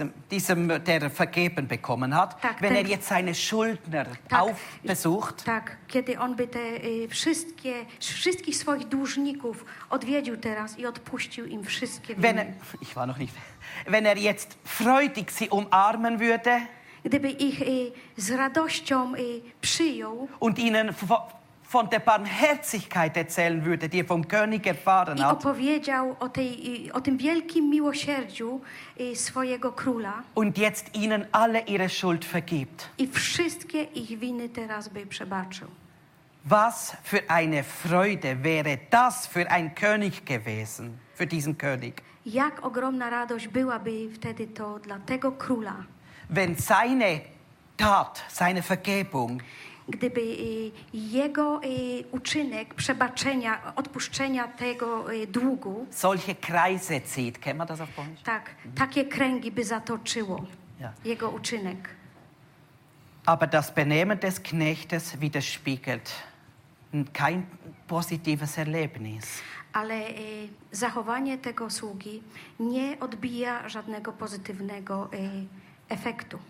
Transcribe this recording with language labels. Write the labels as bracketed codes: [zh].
[de] diesem, der vergeben bekommen hat, tak, wenn er jetzt seine Schuldner aufbesucht, [pl] tak, kiedy on by te wszystkich swoich dłużników odwiedził teraz i odpuścił im wszystkie winy. [de] Wenn er jetzt freudig sie umarmen würde, [pl] gdyby ich z radością przyjął [de] und ihnen von der Barmherzigkeit erzählen würde, die er vom König erfahren hat. [pl] I opowiedział o tym wielkim miłosierdziu swojego króla. [de] Und jetzt ihnen alle ihre Schuld vergibt. [pl] I wszystkie ich winy teraz by przebaczył. [de] Was für eine Freude wäre das für ein König gewesen, für diesen König. [pl] Jak ogromna radość byłaby wtedy to dla tego króla. [de] Wenn seine Tat, seine Vergebung, [pl] gdyby jego uczynek przebaczenia, odpuszczenia tego długu, [de] solche Kreise zieht, kennt man das auf Polnisch? [pl] Tak, takie kręgi by zatoczyło, ja, jego uczynek. [de] Aber das Benehmen des Knechtes widerspiegelt kein positives Erlebnis. [pl] Ale zachowanie tego sługi nie odbija żadnego pozytywnego efektu.